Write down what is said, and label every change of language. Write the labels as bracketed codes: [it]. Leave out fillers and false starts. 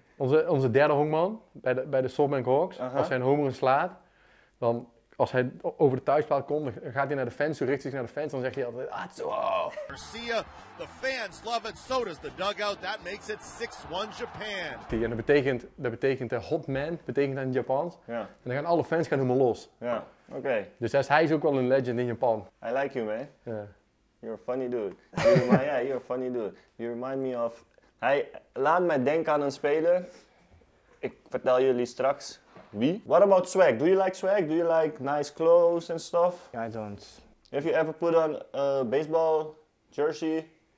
[nl] Onze derde honkman bij de SoftBank Hawks, als hij een homer slaat, dan als hij over de thuispaal komt, dan gaat hij naar de fans, zo richt hij zich naar de fans, dan zegt hij altijd, Atsuo! [en] Garcia, the fans love it, so does the dugout, that makes it 6-1 Japan. [nl] En dat betekent hot man, betekent dat in Japans. [en] Yeah. [nl] En dan gaan alle fans gaan helemaal los. Ja, okay. Dus hij is ook wel een legend in Japan. [en] I like you, man. Yeah. You're a funny dude. You're a funny dude. You remind me of... [nl] Hij laat mij denken aan een speler. Ik vertel jullie straks wie. [en] What about swag? Do you like swag? Do you like nice clothes and stuff? I don't. Have you ever put on a baseball jersey?